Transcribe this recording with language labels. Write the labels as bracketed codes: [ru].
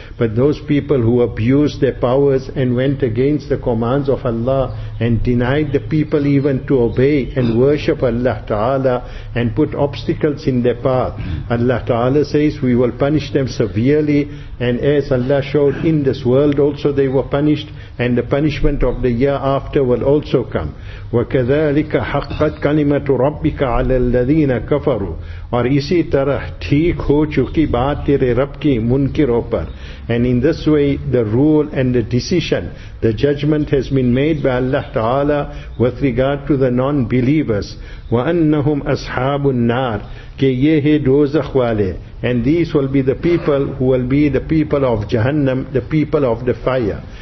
[en] But those people who abused their powers and went against the commands of Allah and denied the people even to obey and worship Allah Ta'ala and put obstacles in their path, Allah Ta'ala says, we will punish them severely. And as Allah showed, in this world also they were punished, and the punishment of the year after will also come. [ar] وَكَذَلِكَ حَقَّتْ كَلِمَةُ رَبِّكَ عَلَى الَّذِينَ كَفَرُوا. [ur] اور اسی طرح ٹھیک ہو چکی بات تیرے رب کی منکروں پر. [en] And in this way, the rule and the decision, the judgment has been made by Allah Ta'ala with regard to the non-believers. [ar] وَأَنَّهُمْ أَصْحَابُ النَّارِ. [ur] کہ یہ ہے دوزخ والے. [en] And these will be the people who will be the people of Jahannam, the people of the fire.